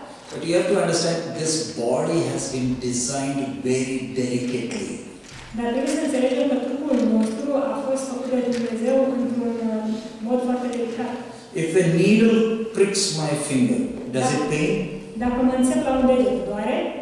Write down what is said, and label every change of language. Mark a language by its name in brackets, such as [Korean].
[English] But you have to understand, this body has been designed very delicately. [Romanian] Dar trebuie să înțelegem că trupul nostru a fost făcut de Dumnezeu într-un mod foarte delicat. [English] If a needle pricks my finger, does it pain? [Romanian] Dacă mă înțep la un deget, doare?